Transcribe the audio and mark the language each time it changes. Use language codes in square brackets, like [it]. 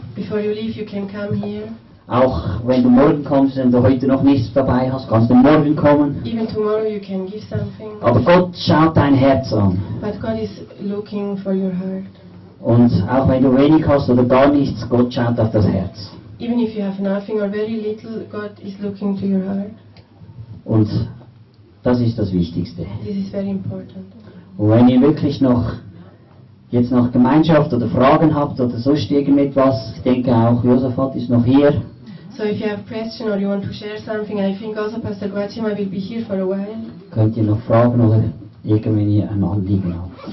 [en] Before you leave, you can come here. [de] Auch wenn du morgen kommst und du heute noch nichts dabei hast, kannst du morgen kommen. [en] Even tomorrow you can give something. [de] Aber Gott schaut dein Herz an. [en] But God is looking for your heart. [de] Und auch wenn du wenig hast oder gar nichts, Gott schaut auf das Herz. [en] Even if you have nothing or very little, God is looking to your heart. [de] Und das ist das Wichtigste. [en] This is very important. [de] Und wenn ihr wirklich noch jetzt noch Gemeinschaft oder Fragen habt oder sonst irgendetwas, ich denke auch, Josaphat ist noch hier. [en] So if you have a question or you want to share something, I think also Pastor Guatima will be here for a while. [de] Könnt ihr noch fragen oder irgendwann ihr ein Anliegen habt.